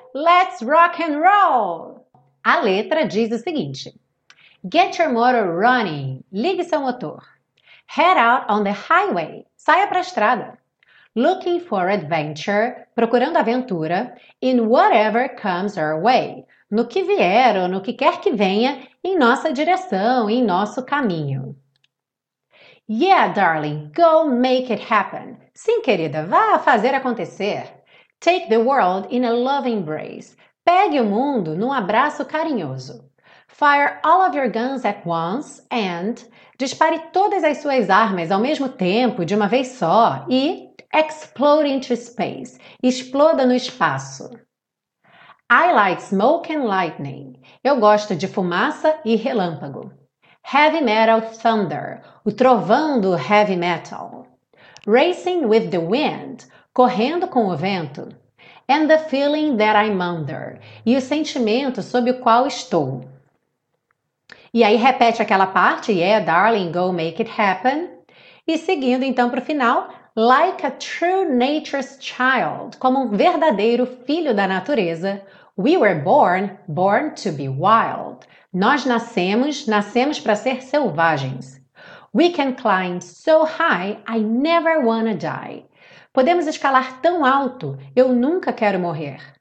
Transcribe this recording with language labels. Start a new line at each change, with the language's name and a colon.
English: Let's rock and roll!
Portuguese: A letra diz o seguinte:
English: Get your motor running.
Portuguese: Ligue seu motor.
English: Head out on the highway.
Portuguese: Saia para a estrada.
English: Looking for adventure,
Portuguese: procurando aventura,
English: in whatever comes our way,
Portuguese: no que vier ou no que quer que venha, em nossa direção, em nosso caminho.
English: Yeah, darling, go make it happen.
Portuguese: Sim, querida, vá fazer acontecer.
English: Take the world in a loving embrace.
Portuguese: Pegue o mundo num abraço carinhoso.
English: Fire all of your guns at once and
Portuguese: dispare todas as suas armas ao mesmo tempo, de uma vez só, e
English: explode into space.
Portuguese: Exploda no espaço.
English: I like smoke and lightning.
Portuguese: Eu gosto de fumaça e relâmpago.
English: Heavy metal thunder.
Portuguese: O trovão do heavy metal.
English: Racing with the wind.
Portuguese: Correndo com o vento.
English: And the feeling that I'm under.
Portuguese: E o sentimento sob o qual estou. E aí repete aquela parte.
English: Yeah, darling, go make it happen.
Portuguese: E seguindo então para o final.
English: Like a true nature's child,
Portuguese: como um verdadeiro filho da natureza,
English: we were born to be wild.
Portuguese: Nós nascemos para ser selvagens.
English: We can climb so high, I never wanna die.
Portuguese: Podemos escalar tão alto, eu nunca quero morrer.